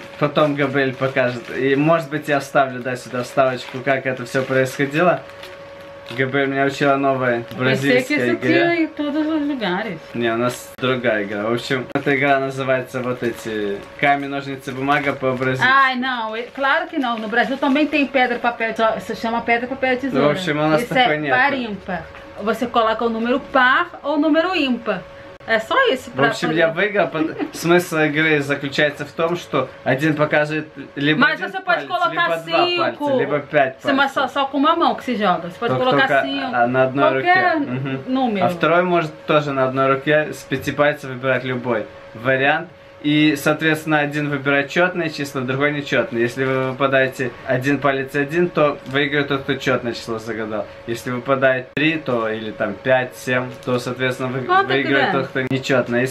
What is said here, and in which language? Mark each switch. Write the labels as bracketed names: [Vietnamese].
[Russian] Потом Габриэль покажет. И может быть я вставлю, да, сюда вставочку, как это все происходило. Габриэль меня учила новой бразильской игре. Не, у нас другая игра. В общем, эта игра называется вот эти камень, ножницы, бумага по бразильски. [Portuguese] Ай, não, claro que não. No Brasil também tem pedra, papel, se chama pedra, papel, tesoura. [Russian] В общем, у нас такой нет. [Portuguese] Você coloca o número par ou o número ímpar. Со есть. [Russian] В общем, я выиграл. Смысл игры заключается в том, что один показывает либо один палец, либо два пальца, либо пять пальцев. [Portuguese] Mas você pode colocar cinco. Você pode colocar cinco. [Russian] Только на одной руке. Ну, а второй может тоже на одной руке с пяти пальцев выбирать любой вариант. И, соответственно, один выбирает четное число, другой нечетное. Если вы выпадаете один палец и один, то выиграет тот, кто четное число загадал. Если выпадает три, то или там пять, семь, то, соответственно, выигрывает тот, кто нечетное.